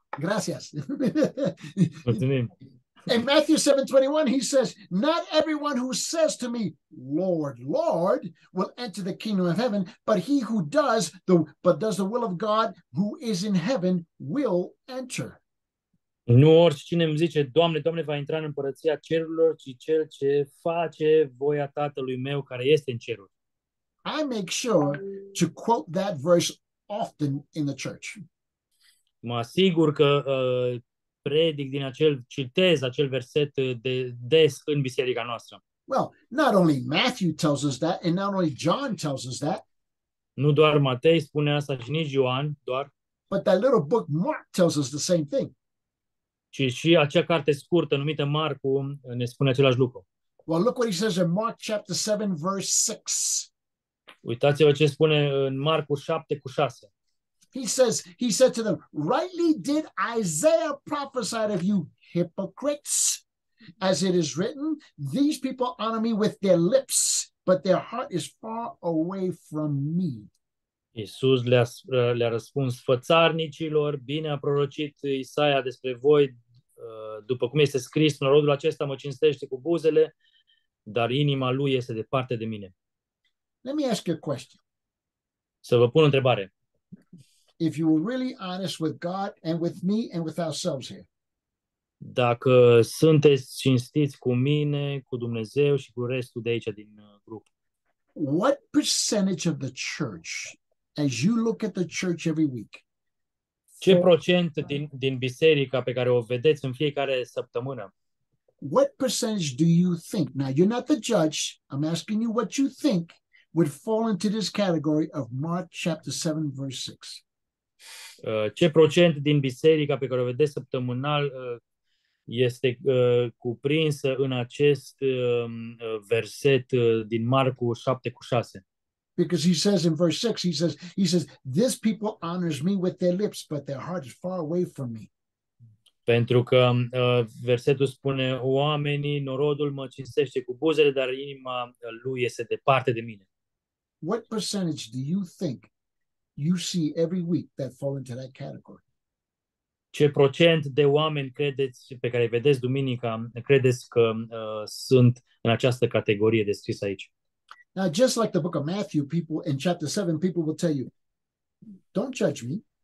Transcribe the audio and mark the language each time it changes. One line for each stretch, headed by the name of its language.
Spanish: Gracias.
Romanian: Mulțumim.
English: In Matthew 7:21 he says, not everyone who says to me, Lord, Lord, will enter the kingdom of heaven, but he who does the will of God who is in heaven will enter.
Romanian: Nu oricine îmi zice, Doamne, Doamne, va intra în împărăția cerurilor, ci cel ce face voia Tatălui meu care este în ceruri.
English: I make sure to quote that verse often in the church.
Romanian: Mă asigur că predic din acel citez acel verset de des în biserica noastră.
English: Well, not only Matthew tells us that and not only John tells us that.
Romanian: Nu doar Matei spune asta și nici Ioan, doar.
English: But that little book Mark tells us the same thing.
Romanian: Și acea carte scurtă numită Marcu ne spune același lucru.
English: Well, look what he says in Mark chapter 7 verse 6.
Romanian: Uitați-vă ce spune în Marcu 7 cu 6.
English: He said to them, rightly did Isaiah prophesy of you hypocrites, as it is written, these people honor me with their lips, but their heart is far away from me.
Romanian: Iisus le-a răspuns, fățarnicilor, bine a prorocit Isaia despre voi, după cum este scris, norodul acesta mă cinstește cu buzele, dar inima lui este departe de mine.
English: Let me ask you a question.
Romanian: Să vă pun o întrebare.
English: If you were really honest with God and with me and with ourselves here.
Romanian: Dacă sunteți cinstiți cu mine, cu Dumnezeu și cu restul de aici din grup.
English: What percentage of the church, as you look at the church every week?
Romanian: Ce procent din biserica pe care o vedeți în fiecare săptămână?
English: What percentage do you think? Now, you're not the judge. I'm asking you what you think would fall into this category of Mark chapter 7, verse 6.
Romanian: Ce procent din biserica pe care o vedeți săptămânal este cuprinsă în acest verset din Marcu 7 cu 6?
English: Because he says in verse 6, he says, this people honors me with their lips, but their heart is far away from me.
Romanian: Pentru că versetul spune, oamenii, norodul mă cinstește cu buzele, dar inima lui este departe de mine.
English: What percentage do you think you see every week that fall into that category?
Romanian: Ce procent de oameni credeți pe care îi vedeți duminica credeți că sunt în această categorie descrisă aici?
English: Now, just like the book of Matthew, people in chapter 7, people will tell you, don't judge me.